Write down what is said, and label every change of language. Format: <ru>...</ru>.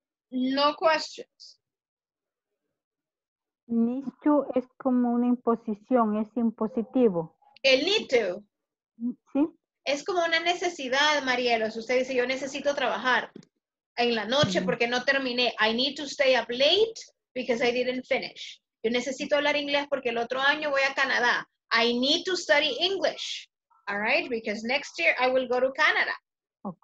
<en>No questions.</en> <es>Needs to es como una imposición, es impositivo. El need to. Sí. Es como una necesidad, Marielo. Si usted dice, yo necesito trabajar en la noche porque no terminé.</es> <en>I need to stay up late because I didn't finish.</en> <es>Yo necesito hablar inglés porque el otro año voy a Canadá.</es> <en>I need to study English, all right? Because next year I will go to Canada, okay.</en>